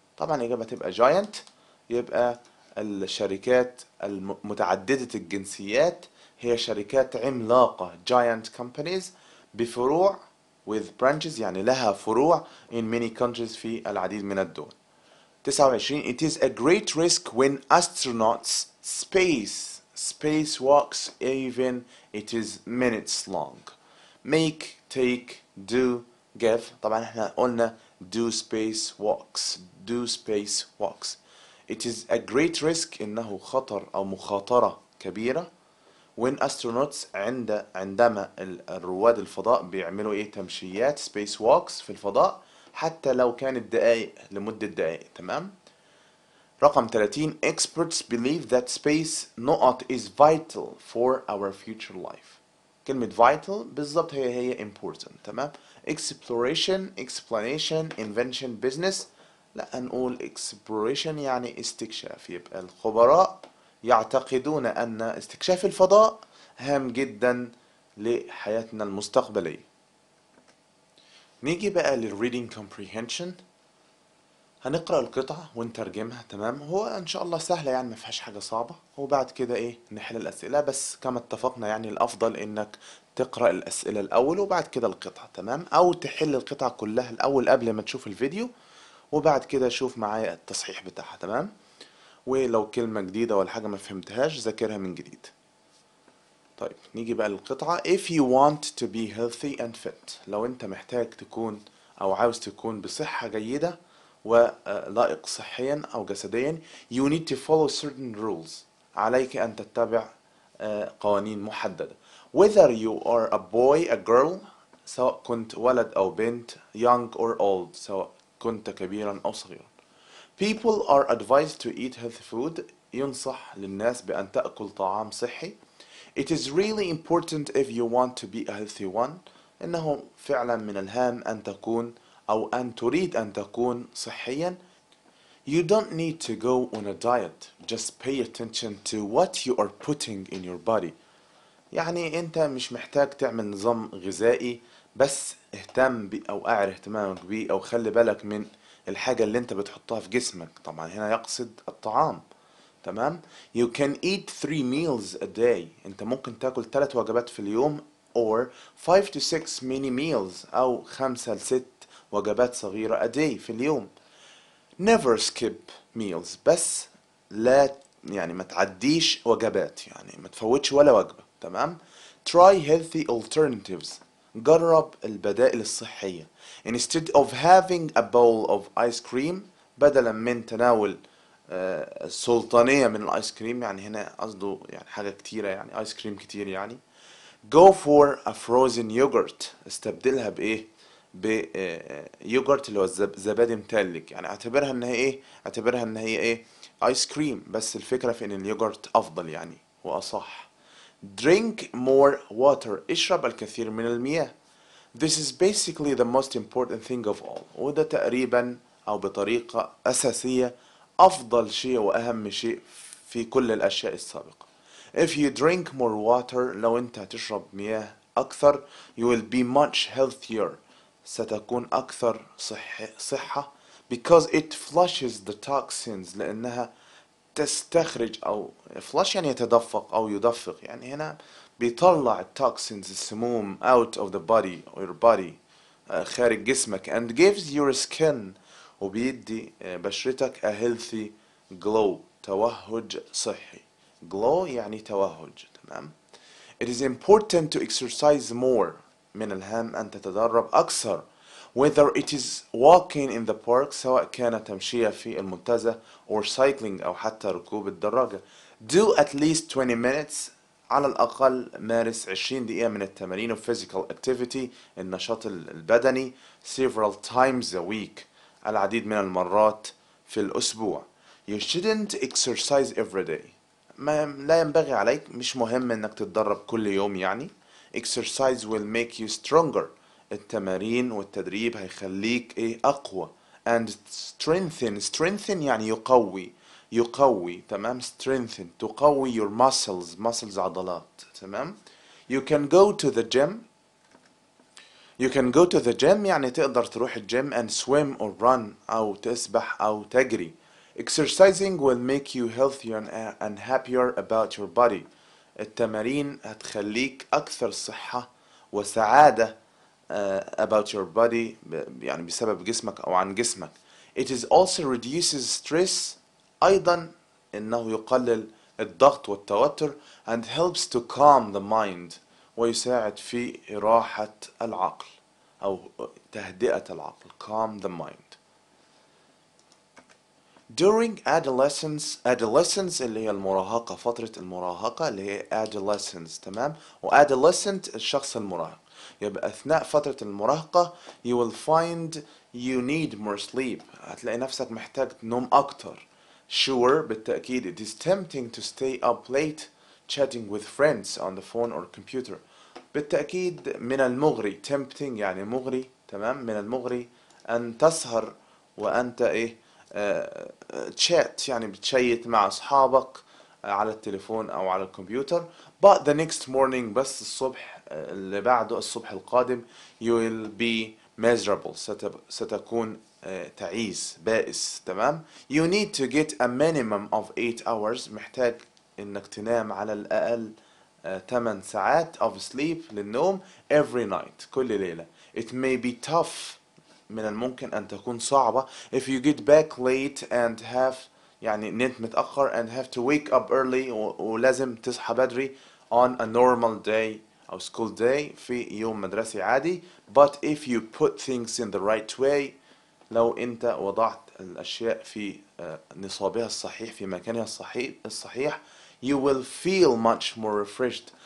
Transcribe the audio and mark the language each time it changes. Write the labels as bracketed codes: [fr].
[ar] طبعا الإجابة تبقى giant، يبقى الشركات المتعددة الجنسيات هي شركات عملاقة [en] giant companies [ar] بفروع [en] with branches، [ar] يعني لها فروع [en] in many countries، [ar] في العديد من الدول. [en] 29 It is a great risk when astronauts spacewalks even it is minutes long. Make, take, do, give. [ar] طبعا احنا قلنا [en] do space walks, do space walks. It is a great risk, [ar] إنه خطر أو مخاطرة كبيرة [en] when astronauts [ar] عندما الرواد الفضاء بيعملوا إيه تمشيات [en] space walks [ar] في الفضاء حتى لو كانت دقائق لمدة دقائق تمام؟ رقم 30 [en] experts believe that space [ar] نقط [en] is vital for our future life. [ar] كلمة [en] vital [ar] بالضبط هي [en] important [ar] تمام؟ [en] exploration, explanation, invention, business. [ar] لا نقول exploration يعني استكشاف. يبقى الخبراء يعتقدون أن استكشاف الفضاء هام جدا لحياتنا المستقبلية. نيجي بقى للreading comprehension. هنقرأ القطعة ونترجمها تمام. هو إن شاء الله سهلة يعني ما فيهاش حاجة صعبة. وبعد كده إيه نحل الأسئلة. بس كما اتفقنا يعني الأفضل إنك تقرأ الأسئلة الأول وبعد كده القطعة تمام. أو تحل القطعة كلها الأول قبل ما تشوف الفيديو وبعد كده شوف معايا التصحيح بتاعها تمام. ولو كلمة جديدة ولا حاجة ما فهمتهاش ذاكرها من جديد. طيب نيجي بقى للقطعة. [en] If you want to be healthy and fit. [ar] لو أنت محتاج تكون أو عاوز تكون بصحة جيدة ولائق صحيا أو جسديا [en] you need to follow certain rules. [ar] عليك أن تتبع قوانين محددة. [en] Whether you are a boy, a girl, [ar] سواء كنت ولد أو بنت, [en] young or old, [ar] سواء كنت كبيرا أو صغيرا. [en] People are advised to eat healthy food. [ar] ينصح للناس بأن تأكل طعام صحي. [en] It is really important if you want to be a healthy one. [ar] إنه فعلا من الهام أن تكون أو أن تريد أن تكون صحيا. [en] You don't need to go on a diet. Just pay attention to what you are putting in your body. [ar] يعني أنت مش محتاج تعمل نظام غذائي بس اهتم أو أعر اهتمامك بيه أو خلي بالك من الحاجة اللي أنت بتحطها في جسمك. طبعا هنا يقصد الطعام تمام. [en] You can eat 3 meals a day. [ar] أنت ممكن تأكل 3 وجبات في اليوم [en] or 5 to 6 mini meals [ar] أو 5 ل 6 وجبات صغيرة [en] a day [ar] في اليوم. [en] Never skip meals. [ar] بس لا يعني ما تعديش وجبات يعني ما تفوتش ولا وجبة تمام. [en] Try healthy alternatives. [ar] جرب البدائل الصحية. [en] Instead of having a bowl of ice cream [ar] بدلا من تناول سلطانية من الايس كريم يعني هنا قصده يعني حاجة كتيرة يعني ايس كريم كتير يعني [en] go for a frozen yogurt. [ar] استبدلها بايه بيوغرت اللي هو زبادي متلج يعني اعتبرها ان هي ايه اعتبرها ان هي ايه ايس كريم بس الفكره في ان اليوغرت افضل يعني واصح. [en] Drink more water. [ar] اشرب الكثير من المياه. [en] This is basically the most important thing of all. [ar] وده تقريبا او بطريقه اساسيه افضل شيء واهم شيء في كل الاشياء السابقه. [en] If you drink more water [ar] لو انت تشرب مياه اكثر [en] you will be much healthier. [ar] ستكون أكثر صحة [en] because it flushes the toxins [ar] لأنها تستخرج أو flush يعني يتدفق أو يدفق يعني هنا بيطلع toxins السموم [en] out of the body or your body [ar] خارج جسمك [en] and gives your skin [ar] وبيدي بشرتك [en] a healthy glow [ar] توهج صحي. glow يعني توهج تمام. [en] It is important to exercise more. [ar] من الهام أن تتدرب أكثر. [en] Whether it is walking in the park [ar] سواء كان تمشية في المنتزه [en] or cycling [ar] أو حتى ركوب الدراجة. [en] Do at least 20 minutes [ar] على الأقل مارس 20 دقيقة من التمارين [en] of physical activity [ar] النشاط البدني [en] several times a week [ar] العديد من المرات في الأسبوع. [en] You shouldn't exercise every day. [ar] ما لا ينبغي عليك مش مهم أنك تتدرب كل يوم يعني. [en] Exercise will make you stronger. [ar] التمارين والتدريب هيخليك ايه اقوى. [en] And strengthen. [ar] Strengthen يعني يقوي. يقوي تمام. [en] Strengthen تقوي your muscles. [ar] Muscles عضلات تمام. [en] You can go to the gym. You can go to the gym [ar] يعني تقدر تروح الجيم [en] and swim or run [ar] او تسبح او تجري. [en] Exercising will make you healthier and happier about your body. [ar] التمارين هتخليك أكثر صحة وسعادة [en] about your body [ar] يعني بسبب جسمك أو عن جسمك. [en] It is also reduces stress. [ar] أيضا إنه يقلل الضغط والتوتر [en] and helps to calm the mind [ar] ويساعد في راحة العقل أو تهدئة العقل. [en] Calm the mind. During adolescence [ar] اللي هي المراهقة, فترة المراهقة اللي هي adolescence, تمام؟ و adolescent الشخص المراهق. يبقى أثناء فترة المراهقة [en] you will find you need more sleep. [ar] هتلاقي نفسك محتاج نوم أكتر. [en] Sure, [ar] بالتأكيد [en] it is tempting to stay up late chatting with friends on the phone or computer. [ar] بالتأكيد من المغري, tempting يعني مغري, تمام؟ من المغري أن تسهر وأنت إيه chat يعني بتشيت مع أصحابك على التليفون أو على الكمبيوتر. [en] But the next morning, [ar] بس الصبح اللي بعده, الصبح القادم, [en] you will be miserable, [ar] ستكون تعيس بائس, تمام؟ [en] You need to get a minimum of 8 hours. [ar] محتاج إنك تنام على الأقل 8 ساعات [en] of sleep [ar] للنوم [en] every night, [ar] كل ليلة. [en] It may be tough, [ar] من الممكن أن تكون صعبة, [en] if you get back late and have [ar] يعني نمت متأخر [en] and have to wake up early, [ar] ولازم تصحى بدري [en] on a normal day أو school day, [ar] في يوم مدرسي عادي. [en] But if you put things in the right way, [ar] لو أنت وضعت الأشياء في نصابها الصحيح, في مكانها الصحيح, [en] you will feel much more refreshed.